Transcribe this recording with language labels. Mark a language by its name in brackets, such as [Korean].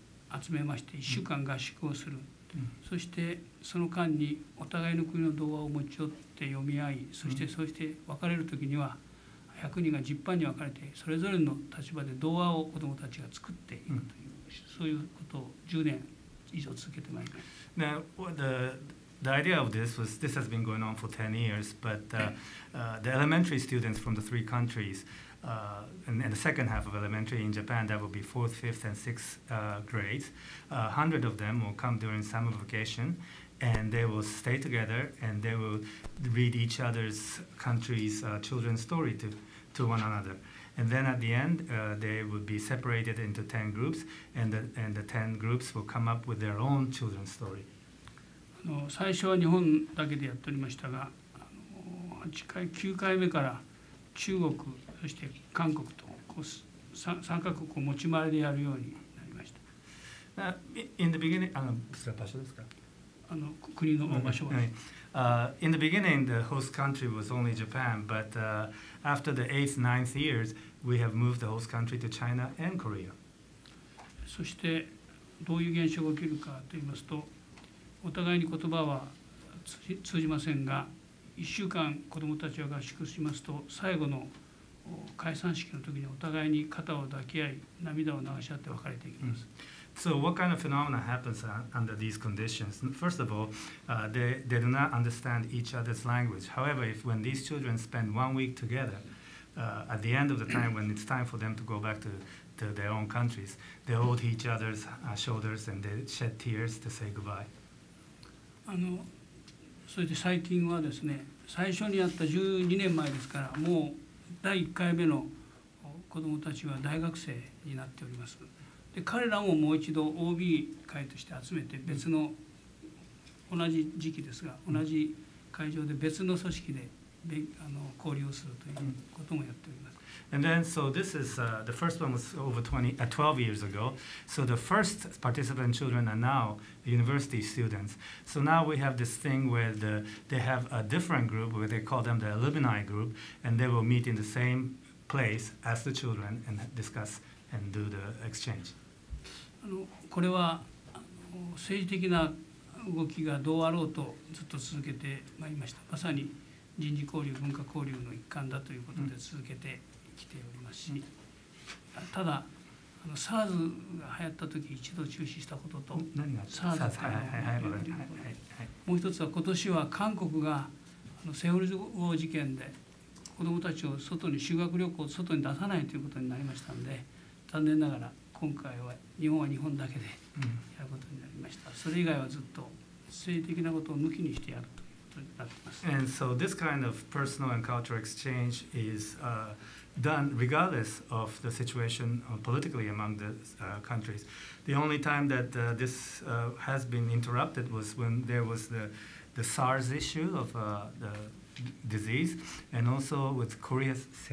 [Japanese] 集めまして1週間合宿をする、そしてその間にお互いの国の童話を持ち寄って読み合い、そして別れる時には100人が10班に分かれて、それぞれの立場で童話を子どもたちが作っていくという、そういうことを10年以上続けてまいります。 [English] Now, the idea of this was, this has been going on for 10 years, but the elementary students from the three countriesand the second half of elementary in Japan, that will be fourth, fifth, and sixth grades. 100 of them will come during summer vacation, and they will stay together, and they will read each other's country's children's story to one another. And then at the end, they would be separated into 10 groups, and the 10 groups will come up with their own children's story. [Japanese] 最初は日本だけでやっておりましたが、8回、9回目から中国、そして韓国とこう3カ国を持ち回りでやるようになりました。 [English] In the beginning, [Japanese] 場所ですか？国の場所は。 [English] In the beginning, the host country was only Japan, but after the 8th, 9th years, we have moved the host country to China and Korea. [Japanese] そしてどういう現象が起きるかといいますと、お互いに言葉は通じませんが、1週間子どもたちは合宿しますと、最後の解散式の時にお互いに肩を抱き合い、涙を流し合って別れていきます。 [English] So what kind of phenomena happens under these conditions? First of all, they do not understand each other's language. However, if when these children spend 1 week together, at the end of the time when it's time for them to go back to their own countries, they hold each other's shoulders and they shed tears to say goodbye. [Japanese] それで最近はですね、最初にやった12年前ですから、もう第1回目の子どもたちは大学生になっております。で、彼らももう一度 OB 会として集めて、別の、同じ時期ですが、同じ会場で別の組織で交流をするということもやっております。 [English] And then, so this is, the first one was over 12 years ago. So the first participant children are now university students. So now we have this thing where they have a different group where they call them the alumni group, and they will meet in the same place as the children and discuss and do the exchange. [Japanese] これは政治的な動きがどうあろうとずっと続けてまいりました。まさに人事交流、文化交流の一環だということで続けて、mm-hmm. 来ておりますし、ただSARS が流行った時一度中止したことと、 SARS が流行ったこと、もう一つは今年は韓国がセウォル号事件で子どもたちを外に修学旅行を外に出さないということになりましたので、残念ながら今回は日本は日本だけでやることになりました。それ以外はずっと政治的なことを抜きにしてやるということになっています [English] And so this kind of personal and cultural exchange is done regardless of the situation politically among the countries. The only time that this has been interrupted was when there was the SARS issue of the disease, and also with Korea's